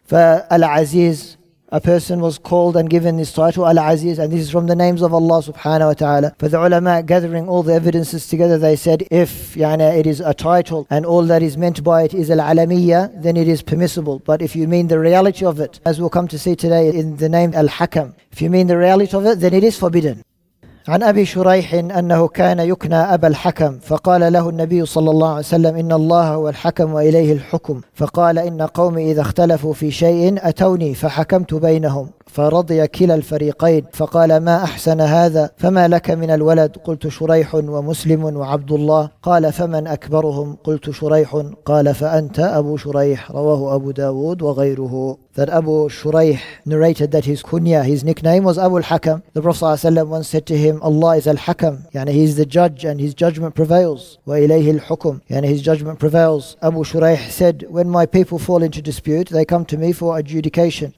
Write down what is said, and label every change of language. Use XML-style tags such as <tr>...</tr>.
<en>For Al Aziz, a person was called and given this title Al Aziz, and this is from the names of Allah subhanahu wa ta'ala. For the ulama, gathering all the evidences together, they said, if yani it is a title and all that is meant by it is Al Alamiyya, then it is permissible. But if you mean the reality of it, as we'll come to see today in the name Al Hakam, if you mean the reality of it, then it is forbidden.</en> <ar>عن أبي شريح أنه كان يكنى أبا الحكم فقال له النبي صلى الله عليه وسلم إن الله هو الحكم وإليه الحكم فقال إن قومي إذا اختلفوا في شيء أتوني فحكمت بينهم فرضي كلا الفريقين فقال ما أحسن هذا فما لك من الولد قلت شريح ومسلم وعبد الله قال فمن أكبرهم قلت شريح قال فأنت أبو شريح رواه أبو داود وغيره.</ar> <en>That Abu Shuraih narrated that his kunya, his nickname was Abu al-Hakam. The Prophet ﷺ once said to him, Allah is al-Hakam, yani he is the judge and his judgment prevails. Wa ilayhi al-Hukum, yani his judgment prevails. Abu Shuraih said, when my people fall into dispute, they come to me for adjudication.</en>